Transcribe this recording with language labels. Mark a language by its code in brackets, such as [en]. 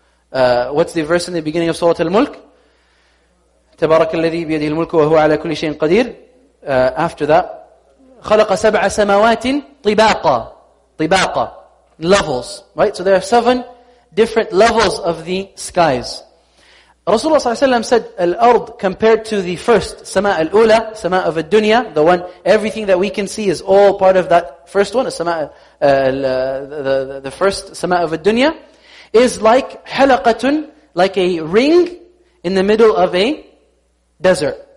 [en] What's the verse in the beginning of Surah Al-Mulk? [ar] تَبَارَكَ الَّذِي بِيَدِهِ الْمُلْكُ وَهُوَ عَلَى كُلِّ شَيْءٍ قَدِيرٍ. After that, خَلَقَ سَبْعَ سَمَوَاتٍ طِبَاقًا. طِبَاقًا. Levels. [en] Right? So there are seven different levels of the skies. Rasulullah صلى الله عليه وسلم said, الأرض compared to the first, [ar] سماء الأولى, [en] سماء of الدنيا, the one, everything that we can see is all part of that first one, السماء, the first سماء of الدنيا, is like حَلَقَةٌ, like a ring in the middle of a desert.